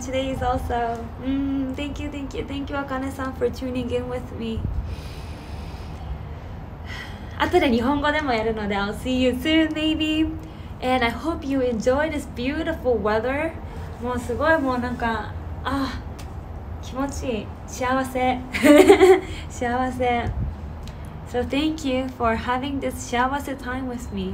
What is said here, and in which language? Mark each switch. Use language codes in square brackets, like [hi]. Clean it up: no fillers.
[en] Today is also thank you Akane-san for tuning in with me. [ja] 後で日本語でもやるので [en] I'll see you soon maybe. And I hope you enjoy this beautiful weather. [ja] もうすごいもうなんか気持ちいい幸せ幸せ。 [en] So thank you for having this 幸せ time with me.